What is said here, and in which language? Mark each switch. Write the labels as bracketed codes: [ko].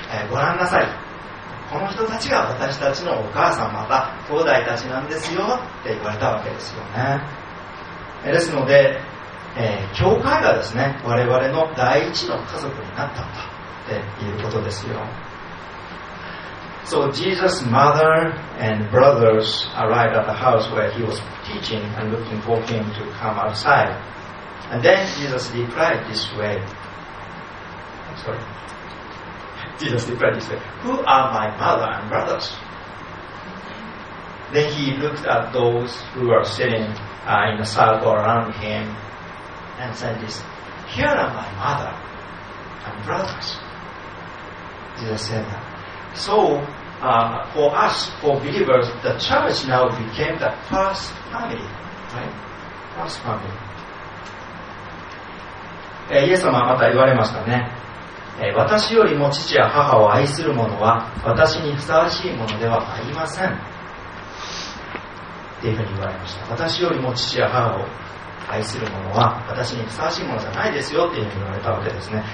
[ja] ご覧なさい、この人たちが私たちのお母さんまた兄弟たちなんですよって言われたわけですよね。ですので、教会がですね我々の第一の家族になったんだっていうことですよ。 [en] So Jesus' mother and brothers arrived at the house where he was teaching and looking for him to come outside. And then Jesus replied this way. SorryJesus replied, he said, who are my mother and brothers? Then he looked at those who were sitting in a circle around him and said this, here are my mother and brothers. Jesus said that. So for us, for believers, the church now became the first family, right? First family. [ja] イエス様また言われましたね。私よりも父や母を愛する者は私にふさわしいものではありませんというふうに言われました。私よりも父や母を愛する者は私にふさわしいものじゃないですよというふうに言われたわけですね。